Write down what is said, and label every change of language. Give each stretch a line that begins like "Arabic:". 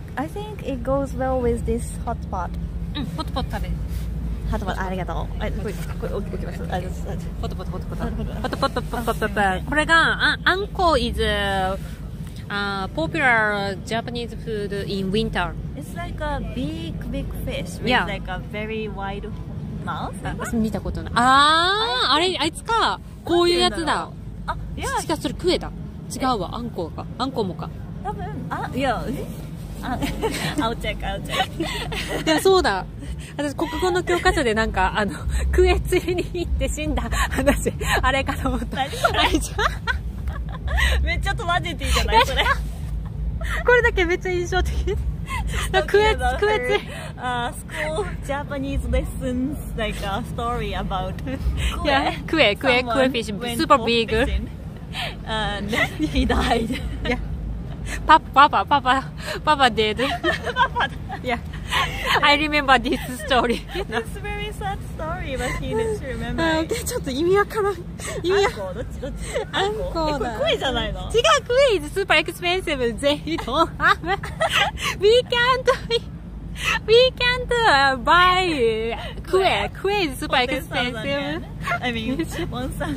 English: I think it goes well with this hot pot.
Japanese: うん、ホットポット食べ。ホットポット、ありがとう。これ、これ置きます。ホットポット、ホットポット。ホットポット、ポット、ポット。これが、あんこ
English: is a popular Japanese food in winter. It's like a big, big fish with like a very wide... Mouth?
Japanese: 見たことない。あー、あれ、あいつか。こういうやつだ。あ、違う、それクエだ。違うわ、あんこか。あんこもか。多分、あ、いや、え？あ、青チェック、青チェック。いや、そうだ。私、国語の教科書でなんか、あの、クエ釣りに行って死んだ話、あれかと思った。何それ？めっちゃトラジティじゃない？それ。これだけめっちゃ印象的。クエツクエツ。あ、
English: school Japanese lessons like a story about クエクエクエフィッシュ super big and he died. Yeah. パパ dead.
Japanese: パパ。
English: Yeah. I remember this story. It's very sad story, but he needs to remember.
Japanese: ちょっと意味わからん。意味。アンコどっちどっち。アンコだ。クエじゃないの？違う
English: クエ is super expensive. They don't have. We can't. We can't buy クエ クエ is super expensive. I mean, one